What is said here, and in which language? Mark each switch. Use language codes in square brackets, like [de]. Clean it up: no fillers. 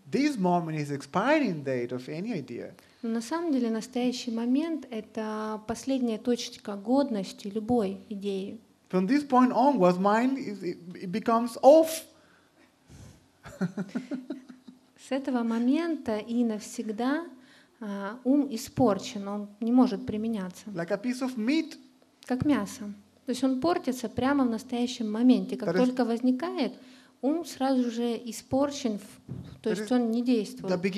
[en] This moment is expiring date of any idea. [ru] Но на самом деле настоящий момент это последняя точка годности любой идеи. [en] From this point onwards, mine it becomes off. [ru] С этого момента и навсегда ум испорчен, он не может применяться. [en] Like a piece of meat. [ru] Как мясо. То есть он портится прямо в настоящем моменте, как только возникает. Ум сразу же испорчен, то есть он не действует.